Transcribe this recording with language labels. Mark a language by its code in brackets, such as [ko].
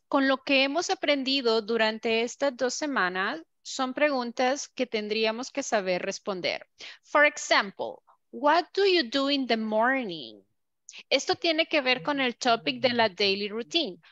[es] Con lo que hemos aprendido durante estas dos semanas, son preguntas que tendríamos que saber responder. [en] For example, what do you do in the morning? [es] Esto tiene que ver con el topic de la daily routine.